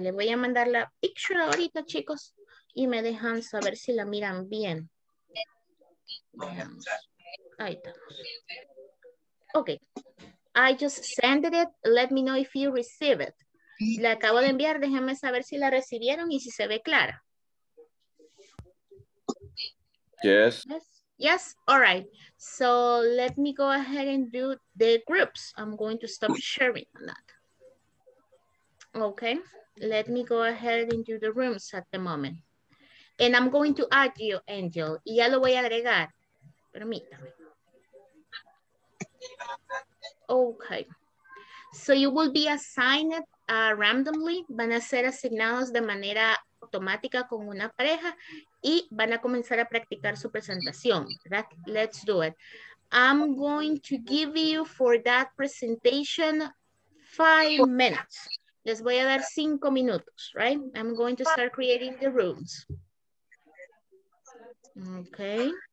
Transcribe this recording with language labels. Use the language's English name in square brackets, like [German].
[Spanish] Le voy a mandar la picture ahorita, chicos, y me dejan saber si la miran bien. Veamos. Ahí estamos. [English] Ok. I just sent it. Let me know if you receive it. [Spanish] La acabo de enviar. Déjenme saber si la recibieron y si se ve clara. [English] Yes. Yes. Yes, all right. So let me go ahead and do the groups. I'm going to stop sharing on that. Okay, let me go ahead and do the rooms at the moment. And I'm going to add you, [Spanish] Angel. Y ya lo voy a agregar. Permítame. [English] Okay. So you will be assigned randomly. [Spanish] Van a ser asignados de manera automática con una pareja. Y van a comenzar a practicar su presentación, ¿verdad? [English] Let's do it. I'm going to give you for that presentation 5 minutes. [Spanish] Les voy a dar 5 minutos, [English] right? I'm going to start creating the rooms. Okay.